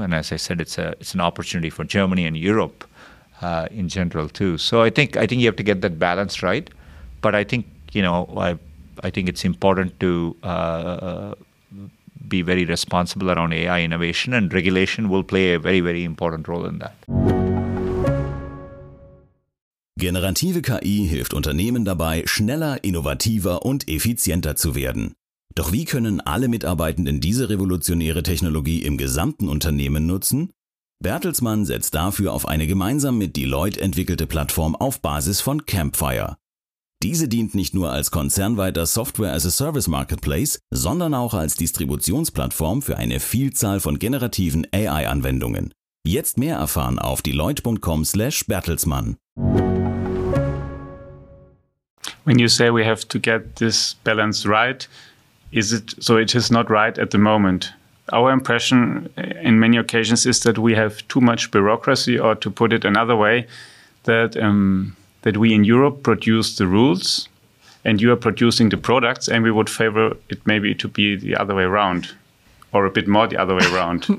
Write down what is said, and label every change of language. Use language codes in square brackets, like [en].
[en] And as I said, it's an opportunity for Germany and Europe in general too. So I think you have to get that balance right. But I think, you know, I think it's important to be very responsible around AI innovation, and regulation will play a very, very important role in that. [de] Generative KI hilft Unternehmen dabei, schneller, innovativer und effizienter zu werden. Doch wie können alle Mitarbeitenden diese revolutionäre Technologie im gesamten Unternehmen nutzen? Bertelsmann setzt dafür auf eine gemeinsam mit Deloitte entwickelte Plattform auf Basis von Campfire. Diese dient nicht nur als konzernweiter Software-as-a-Service-Marketplace, sondern auch als Distributionsplattform für eine Vielzahl von generativen AI-Anwendungen. Jetzt mehr erfahren auf deloitte.com/bertelsmann. [en] When you say we have to get this balance right, is it so it is not right at the moment? Our impression in many occasions is that we have too much bureaucracy, or to put it another way, that that we in Europe produce the rules and you are producing the products, and we would favor it maybe to be the other way around, or a bit more the other way around.